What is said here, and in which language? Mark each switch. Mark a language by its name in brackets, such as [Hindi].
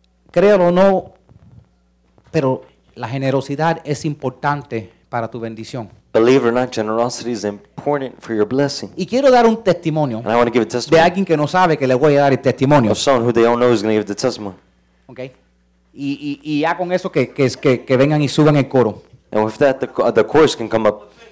[Spanish] Créalo o no, pero la generosidad es importante para tu bendición. [English] Believe it or not, generosity is important for your blessing. [Spanish] Y quiero dar un testimonio. [English] And I want to give a testimony. [Spanish] De alguien que no sabe que le voy a dar el testimonio. [English] Of someone who they don't know is going to give the testimony. Okay. [Spanish] Y ya con eso que vengan y suban el coro. [English] And with that, the chorus can come up.